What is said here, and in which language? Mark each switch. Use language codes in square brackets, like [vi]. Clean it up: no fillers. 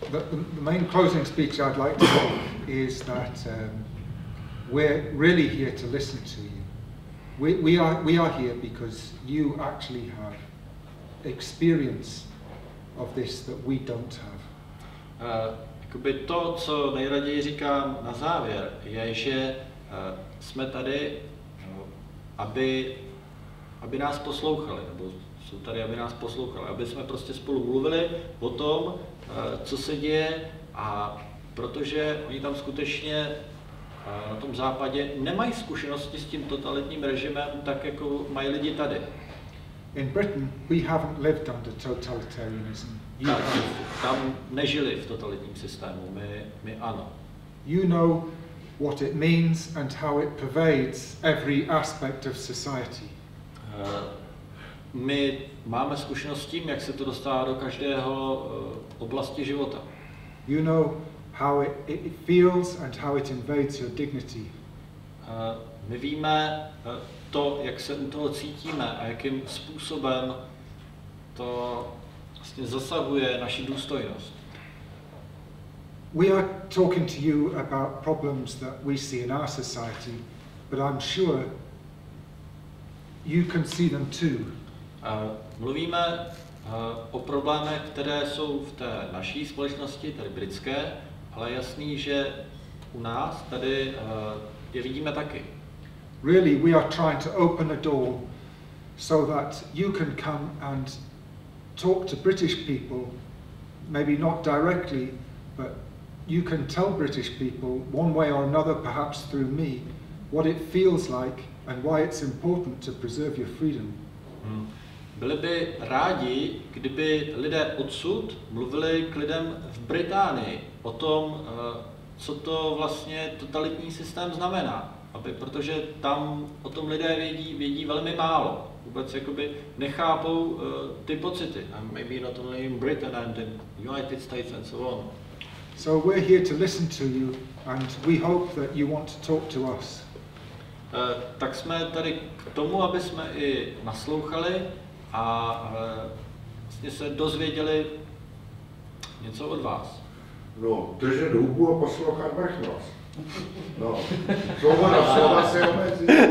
[en] The main closing speech I'd like to make is that we're really here to listen to you. We are here because you actually have experience of this that we don't have. [cs] Jakoby to, co nejraději říkám na závěr, je, že jsme tady, aby nás poslouchali, nebo jsou tady, aby nás poslouchali, aby jsme prostě spolu mluvili o tom, co se děje, a protože oni tam skutečně na tom západě nemají zkušenosti s tím totalitním režimem, tak jako mají lidi tady. [en] In Britain we haven't lived under totalitarianism. [cs] Tam nežili v totalitním systému, my ano. [en] You know what it means and how it pervades every aspect of society. [cs] My máme zkušenost s tím, jak se to dostává do každého oblasti života. [en] You know how it feels and how it invades your dignity. [cs] My víme to, jak se u toho cítíme a jakým způsobem to vlastně zasahuje naši důstojnost. [en] We are talking to you about problems that we see in our society, but I'm sure you can see them too. [cs] Mluvíme o problémech, které jsou v té naší společnosti, tady britské, ale jasný, že u nás tady je vidíme taky. [en] Really, we are trying to open a door so that you can come and talk to British people, maybe not directly, but you can tell British people one way or another, perhaps through me, what it feels like and why it's important to preserve your freedom. [cs] Byli by rádi, kdyby lidé odsud mluvili k lidem v Británii o tom, co to vlastně totalitní systém znamená. Protože tam o tom lidé vědí velmi málo. Vůbec jakoby nechápou ty pocity. [en] And maybe not only in Britain and in United States and so on. So we're here to listen to you and we hope that you want to talk to us. [cs] Tak jsme tady k tomu, aby jsme i naslouchali a vlastně se dozvěděli něco od vás. No, držet hubu a poslouchat vrchnost. No, svoboda slova se omezí.